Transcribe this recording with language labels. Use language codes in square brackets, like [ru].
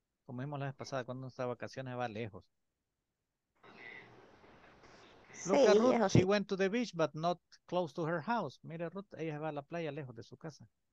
[es] Como vimos la vez pasada, cuando nuestras vacaciones va lejos. [en] Look at Ruth. She went to the beach, but not close to her house. [es] Mire, Ruth, ella va a la playa lejos de su casa.